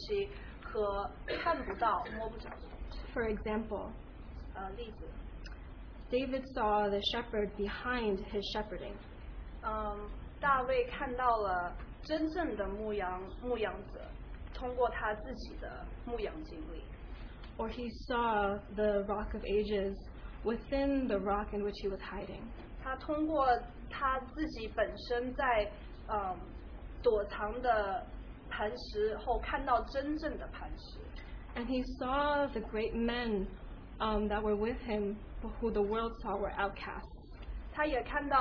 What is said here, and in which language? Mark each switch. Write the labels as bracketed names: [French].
[Chinese] 所以呢，可以让我们看到，实际上我们可以看到的、可以摸着的东西和看不到、摸不着的东西。 [English] For example, [Chinese] 例子， [English] David saw the shepherd behind his shepherding. [Chinese] 大卫看到了真正的牧羊者。 [English] Or he saw the rock of ages within the rock in which he was hiding. [Chinese] 他通过他自己本身在躲藏的磐石后看到真正的磐石。 [English] And he saw the great men that were with him, who the world saw were outcasts.